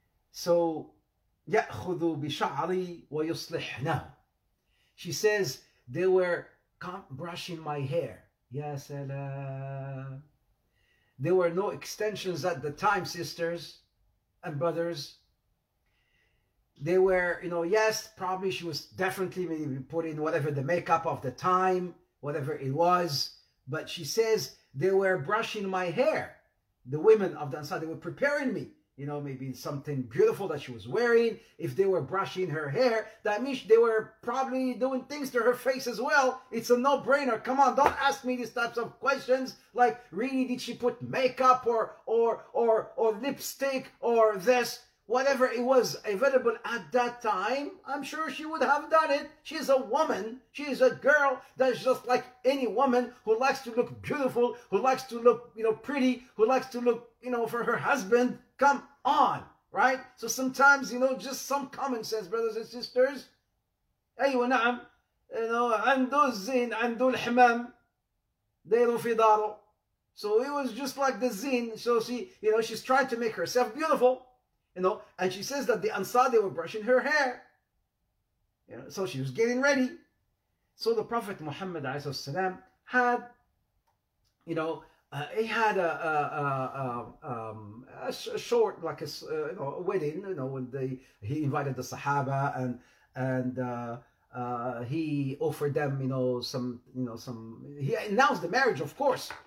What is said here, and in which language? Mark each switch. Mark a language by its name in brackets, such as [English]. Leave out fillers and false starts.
[English] So, [Arabic] يَأْخُذُ بِشَعْرِي وَيُصْلِحْنَهُ. [English] She says, they were brushing my hair. Ya salam. There were no extensions at the time, sisters and brothers. They were, you know, yes, probably she was definitely maybe putting whatever the makeup of the time, whatever it was. But she says, they were brushing my hair. the women of the Ansar, they were preparing me. You know, maybe something beautiful that she was wearing. If they were brushing her hair, that means they were probably doing things to her face as well. It's a no-brainer. Come on, don't ask me these types of questions. Like, really, did she put makeup or lipstick or this? Whatever it was available at that time, I'm sure she would have done it. She's a woman. She's a girl that's just like any woman who likes to look beautiful, who likes to look, you know, pretty, who likes to look, you know, for her husband. Come on, right? So sometimes, you know, just some common sense, brothers and sisters. [Arabic] Aywa na'am, [English] you know, [Arabic] عنده الزين عنده الحمام ديرو في دارو. [English] So it was just like the zin. So she, you know, she's trying to make herself beautiful, you know, and she says that the Ansar, they were brushing her hair. You know, so she was getting ready. So the Prophet Muhammad عليه السلام had, you know, he had a short wedding, you know, when he invited the Sahaba and he offered them, you know, he announced the marriage, of course.